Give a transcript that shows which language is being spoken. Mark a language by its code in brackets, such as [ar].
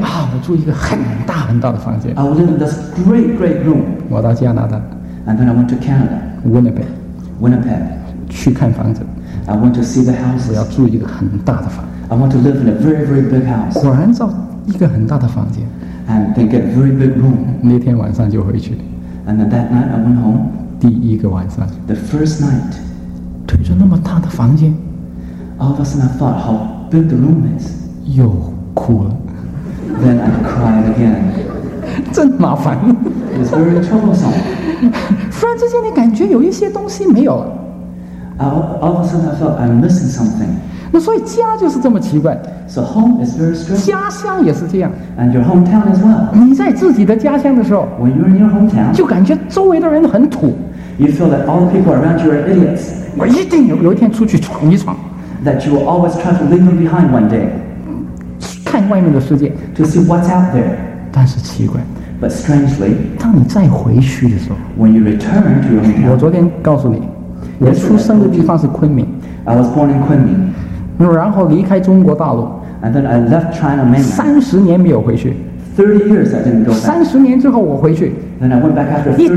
[zh] 我住一个很大很大的房间 [en] I would live in this great, great room. [zh] 我到加拿大 [en] And then I went to Canada. [zh] Winnipeg. 去看房子 [en] I want to see the houses. [zh] 我要住一个很大的房。 [en] I want to live in a very, very big house. [zh] 果然造一个很大的房间。 [en] And they get a very big room. [zh] 那天晚上就回去。 [en] And then that night I went home. [zh] 第一个晚上。 [en] The first night. [zh] 推着那么大的房间。 [en] All of a sudden I thought how big the room is. [zh] 又哭了。 [en] Then I cried again. [zh] 真麻烦。 [en] It's very troublesome. [zh] 突然之间你感觉有一些东西没有了。 [en] All of a sudden, I felt I'm missing something. [zh] 那所以家就是这么奇怪。 [en] So home is very strange. [zh] 家乡也是这样。 [en] And your hometown as well. [zh] 你在自己的家乡的时候 [en] ，When you're in your hometown, [zh] 就感觉周围的人很土。 [en] You feel that all the people around you are idiots. [zh] 我一定有一天出去闯一闯。 [en] That you will always try to leave them behind one day. [zh] 看外面的世界。 [en] To see what's out there. [zh] 但是奇怪。 [en] But strangely, [zh] 当你再回去的时候。 [en] When you return to your hometown. [zh] 我昨天告诉你，我出生的地方是昆明。 [en] I was born in 昆明。 [zh] 然后离开中国大陆。 [en] And then I left China mainland. [zh] 30年没有回去。 [en] 30 years I didn't go back. [zh] 30年之后我回去。 [en] Then I went back after 30 years.